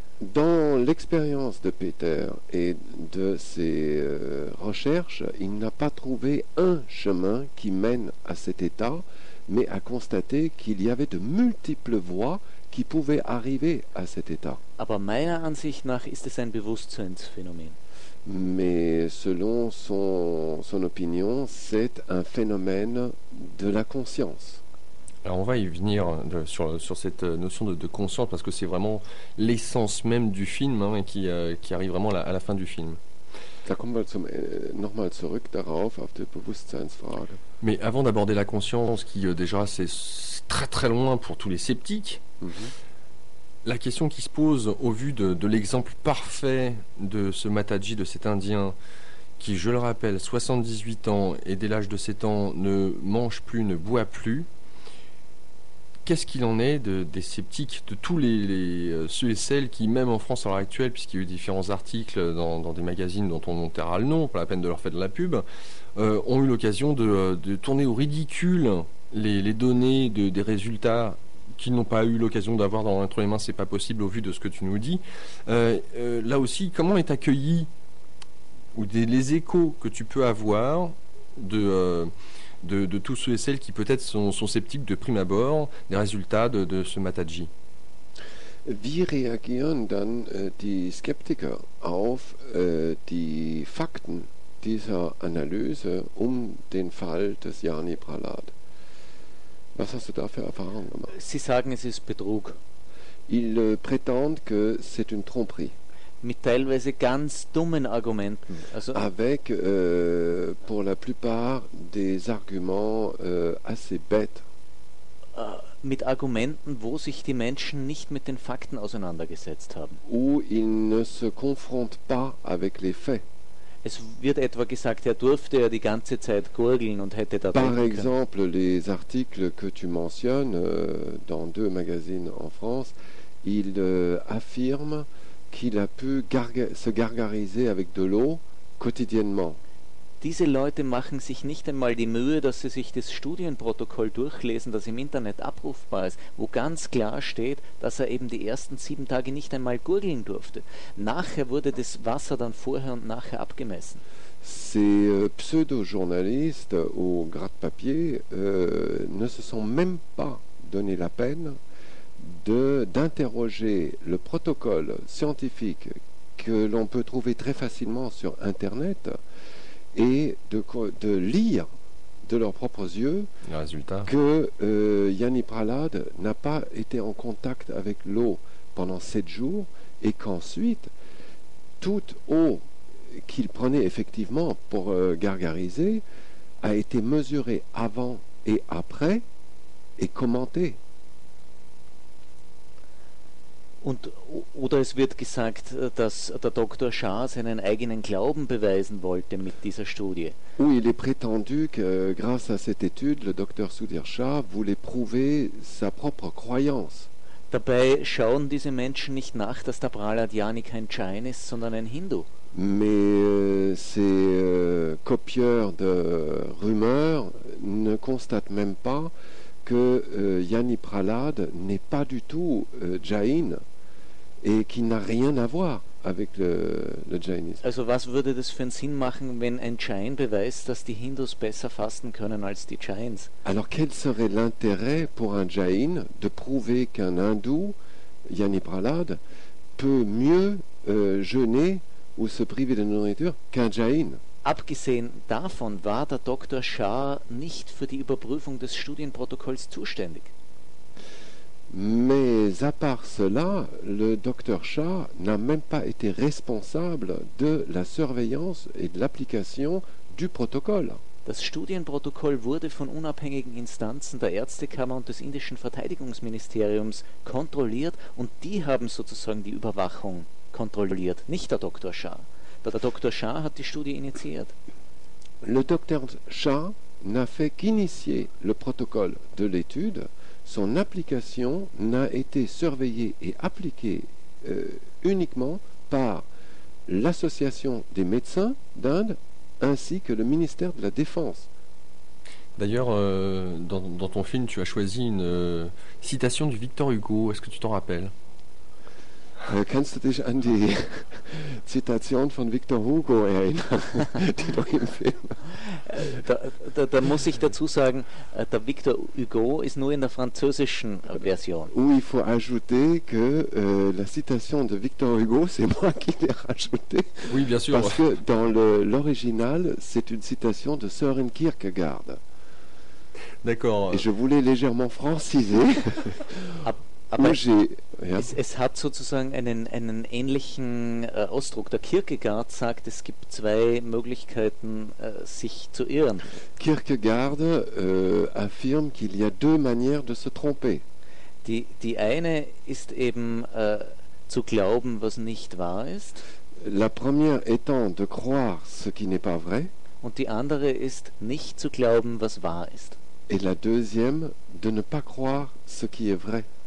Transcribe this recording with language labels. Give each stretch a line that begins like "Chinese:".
French: Dans l'expérience de Peter et de ses recherches, il n'a pas trouvé un chemin qui mène à cet état, mais a constaté qu'il y avait de multiples voies qui pouvaient arriver à cet état.
German: Aber meiner Ansicht nach ist es ein Bewusstseinsphänomen.
French: Mais selon son opinion, c'est un phénomène de la conscience. Alors on va y venir sur cette notion de conscience, parce que c'est vraiment l'essence même du film, hein, qui arrive vraiment à la fin du film.
German: Da kommen wir nochmal zurück darauf, auf die Bewusstseinsfrage.
French: Mais avant d'aborder la conscience, qui déjà c'est très très loin pour tous les sceptiques, la question qui se pose au vu de l'exemple parfait de ce Mataji, de cet Indien, qui, je le rappelle, 78 ans et dès l'âge de 7 ans ne mange plus, ne boit plus, qu'est-ce qu'il en est des sceptiques, de tous les ceux et celles qui, même en France à l'heure actuelle, puisqu'il y a eu différents articles dans des magazines dont on taira le nom, pas la peine de leur faire de la pub, ont eu l'occasion de tourner au ridicule les données des résultats qu'ils n'ont pas eu l'occasion d'avoir dans entre les mains, c'est pas possible au vu de ce que tu nous dis. Là aussi, comment est accueilli, ou les échos que tu peux avoir de tous ceux et celles qui peut-être sont sceptiques de prime abord des résultats de ce Mataji.
German: Wie reagieren dann die Skeptiker auf die Fakten dieser Analyse den Fall des Jani Prahlad? Was hast du da für Erfahrungen gemacht? Sie sagen, es ist Betrug.
French: Ils prétendent que c'est une tromperie.
German: Mit teilweise ganz dummen Argumenten.
French: Also avec pour la plupart des arguments assez bêtes.
German: Mit Argumenten, wo sich die Menschen nicht mit den Fakten auseinandergesetzt haben.
French: Où ils ne se confrontent pas avec les faits.
German: Es wird etwa gesagt, er durfte ja die ganze Zeit gurgeln und hätte da.
French: Par exemple, les articles que tu mentionnes dans deux magazines en France, ils affirment qu'il a pu se gargariser avec de l'eau quotidiennement.
German: Diese Leute machen sich nicht einmal die Mühe, dass sie sich das Studienprotokoll durchlesen, das im Internet abrufbar ist, wo ganz klar steht, dass er eben die ersten 7 Tage nicht einmal gurgeln durfte. Nachher wurde das Wasser dann vorher und nachher abgemessen.
French: Ces pseudo-journalistes au gratte-papier ne se sont même pas donné la peine d'interroger le protocole scientifique que l'on peut trouver très facilement sur Internet et de lire de leurs propres yeux le résultat. Que Yanni Prahlad n'a pas été en contact avec l'eau pendant 7 jours et qu'ensuite, toute eau qu'il prenait effectivement pour gargariser a été mesurée avant et après et commentée.
German: Und, oder es wird gesagt, dass der Dr. Shah seinen eigenen Glauben beweisen wollte mit dieser Studie.
French: Ou il est prétendu que grâce à cette étude, le Dr. Sudhir Shah voulait prouver sa propre croyance.
German: Dabei schauen diese Menschen nicht nach, dass der Prahlad Yani kein Jain ist, sondern ein Hindu.
French: Mais ces copieurs de rumeurs ne constatent même pas que Yanni Prahlad n'est pas du tout Jain et qu'il n'a rien à voir avec le Jainisme.
German: Also was würde das für einen Sinn machen, wenn ein Jain beweist, dass die Hindus besser fasten können als die Jains?
French: Alors quel serait l'intérêt pour un Jain de prouver qu'un hindou, Yanni Prahlad, peut mieux jeûner ou se priver de nourriture qu'un Jain?
German: Abgesehen davon war der Dr. Shah nicht für die Überprüfung des Studienprotokolls zuständig.
French: Mais à part cela, le Dr. Shah n'a même pas été responsable de la surveillance et de l'application du protocole.
German: Das Studienprotokoll wurde von unabhängigen Instanzen der Ärztekammer und des indischen Verteidigungsministeriums kontrolliert und die haben sozusagen die Überwachung kontrolliert, nicht der Dr. Shah. Der Dr. Shah hat die Studie initiiert.
French: Le Dr. Shah n'a fait qu'initier le protocole de l'étude. Son application n'a été surveillée et appliquée uniquement par l'Association des médecins d'Inde ainsi que le ministère de la Défense. D'ailleurs, dans ton film, tu as choisi une citation du Victor Hugo. Est-ce que tu t'en rappelles?
German: Kannst du dich an die Zitation von Victor Hugo erinnern, die du im Film? Da muss ich dazu sagen, der Victor Hugo ist nur in der französischen Version.
French: Ou il faut ajouter que la citation de Victor Hugo, c'est moi qui l'ai rajoutée. Oui, bien sûr. Parce que dans l'original, c'est une citation de Søren Kierkegaard. D'accord. Et je voulais légèrement franciser.
German: Aber ja. es hat sozusagen einen ähnlichen Ausdruck. Der Kierkegaard sagt, es gibt zwei Möglichkeiten, sich zu irren.
French: Kierkegaard affirme qu'il y a deux manières de se tromper.
German: Die eine ist eben zu glauben, was nicht wahr ist.
French: La première étant de croire ce qui n'est pas vrai.
German: Und die andere ist nicht zu glauben, was wahr ist.
French: Et la deuxième de ne pas croire ce qui est vrai.